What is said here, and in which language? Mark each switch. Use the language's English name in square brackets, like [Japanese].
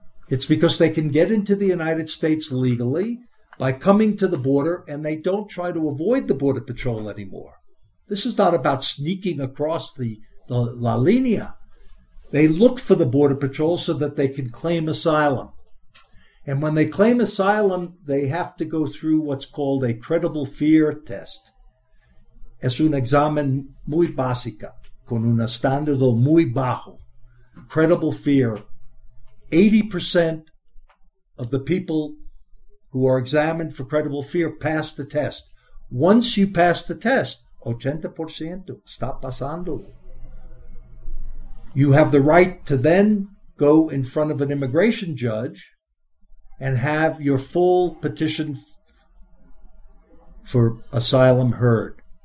[English] It's because they can get into the United States legally by coming to the border, and they don't try to avoid the Border Patrol anymore. This is not about sneaking across the La Línea. They look for the Border Patrol so that they can claim asylum. And when they claim asylum, they have to go through what's called a credible fear test. [Spanish] Es un examen muy básico, con un estándar muy bajo. [English] Credible fear. 80% of the people who are examined for credible fear pass the test. Once you pass the test, 80% [Spanish] está pasando. [English] You have the right to then go in front of an immigration judge and have your full petition for asylum heard.